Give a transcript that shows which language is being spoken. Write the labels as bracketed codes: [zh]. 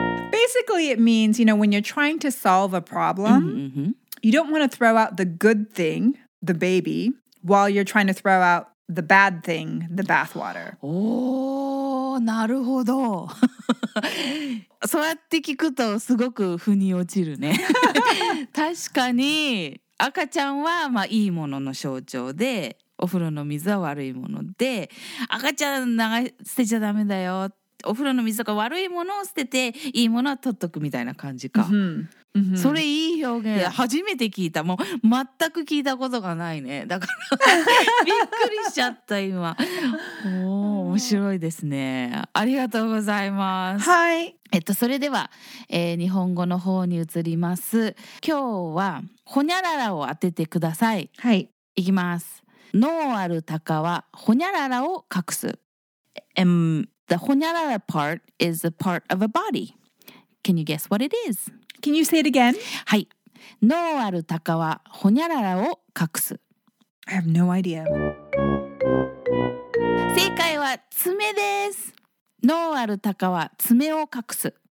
[en] Basically, it means, you know, when you're trying to solve a problem, you don't want to throw out the good thing, the baby, while you're trying to throw out the bad thing, the bathwater. [ja] おー、なるほど。そうやって聞くとすごく腑に落ちるね。確かに赤ちゃんはまあいいものの象徴で、お風呂の水は悪いもので、赤ちゃん流してちゃダメだよ、お風呂の水とか悪いものを捨てていいものは取っとくみたいな感じか、うんうん、それいい表現、いや初めて聞いた、もう全く聞いたことがないね、だからびっくりしちゃった今。おお、面白いですね、ありがとうございます。はい、それでは、日本語の方に移ります。今日はほにゃららを当ててください。はい、いきます。ノーアルタカはほにゃららを隠す。 [en] The ほにゃらら part is a part of a body. Can you guess what it is? Can you say it again? [ja] はい。脳あるタカはホニャララを隠す。 [en] I have no idea. [ja] 正解は爪です。脳あるタカは爪を隠す。